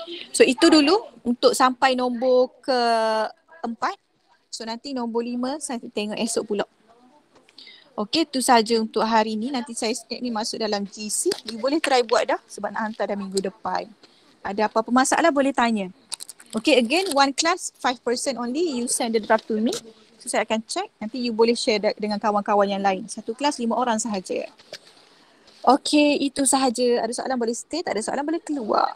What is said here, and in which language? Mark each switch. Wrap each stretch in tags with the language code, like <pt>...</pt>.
<ms>So itu dulu untuk sampai nombor ke 4. So nanti nombor 5 saya tengok esok pula. Okey, tu saja untuk hari ni. Nanti saya snap ni masuk dalam GC. You boleh try buat dah sebab nak hantar dah minggu depan. Ada apa-apa masalah boleh tanya.</ms> <en>Okey, again one class 5% only, you send the draft to me.</en> <ms>So saya akan check, nanti you boleh share dengan kawan-kawan yang lain. Satu kelas 5 orang sahaja. Okey, itu sahaja. Ada soalan boleh stay, tak ada soalan boleh keluar.</ms>